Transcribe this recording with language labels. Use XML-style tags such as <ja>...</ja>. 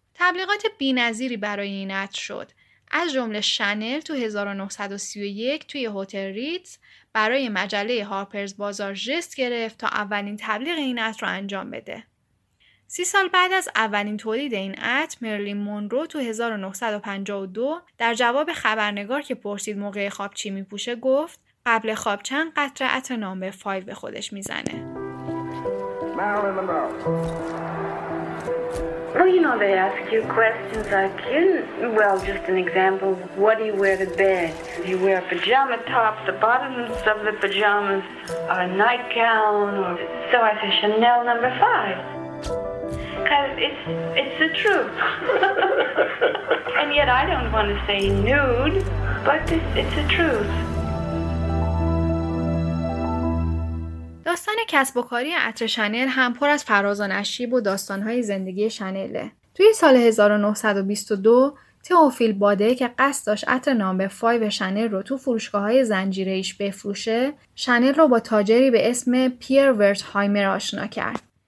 <fa>تبلیغات بی‌نظیری برای این عطر شد. از جمله شانل تو 1931 توی هتل ریتز برای مجله هارپرز بازار ژست گرفت تا اولین تبلیغ این عطر رو انجام بده. 30 سال بعد از اولین تولید این عطر، مرلین مونرو تو 1952 در جواب خبرنگار که پرسید موقع خواب چی میپوشه گفت قبل خواب چند قطره عطر نامبر 5 به خودش میزنه.</fa> <en>Well, you know, they ask you questions like, you, well, just an example, what do you wear to bed? Do you wear a pajama top? The bottoms of the pajamas are a nightgown. Or... So I say, Chanel number 5. Because it's the truth. And yet I don't want to say nude, but it's the truth.</en> <fa>داستان کسب و کاری عطر شانل هم پر از فراز و نشیب و داستان‌های زندگی شانله. توی سال 1922 تئوفیل باده که قصد داشت عطر نامبر 5 شانل رو تو فروشگاه‌های زنجیره‌ایش بفروشه، شانل رو با تاجری به اسم پیر ورتهایمر آشنا کرد.</fa>